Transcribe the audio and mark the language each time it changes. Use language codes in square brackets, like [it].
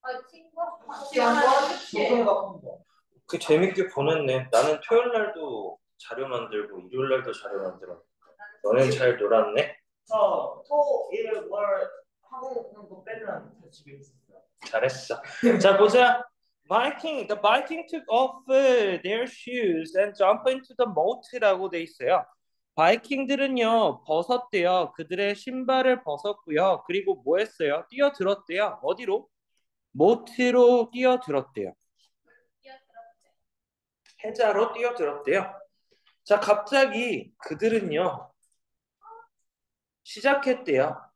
[ko] 친구 혹시 한번 녹음 같은 거. 그 재밌게 보냈네. 나는 토요일 날도 자료 만들고 일요일 날도 자료 만들었는데 너는 잘 놀았네. 저토일월 하고 오는 거 빼면 다 집에 있었어요. 잘했어. 자, 보자. [en] The Viking took off their shoes and jumped into the moat [ko] 라고 돼 있어요. 바이킹들은요, 벗었대요. 그들의 신발을 벗었고요. 그리고 뭐 했어요? 뛰어들었대요. 어디로? 모트로 뛰어들었대요. 해자로 뛰어들었대요. 자, 갑자기 그들은요, 시작했대요.